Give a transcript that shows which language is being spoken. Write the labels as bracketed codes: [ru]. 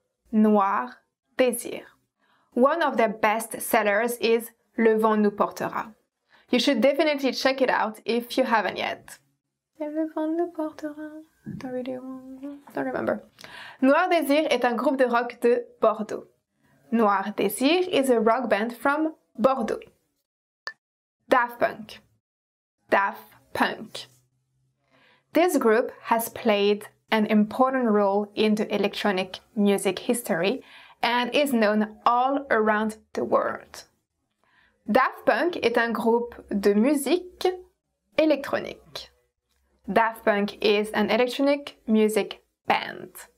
[en] Noir Désir. One of their best sellers is Le Vent Nous Portera. You should definitely check it out if you haven't yet. Le Vent Nous Portera. I don't remember. [fr] Noir Désir est un groupe de rock de Bordeaux. [en] Noir Désir is a rock band from Bordeaux. Daft Punk. This group has played an important role in the electronic music history and is known all around the world. Daft Punk est un groupe de musique électronique. Daft Punk is an electronic music band.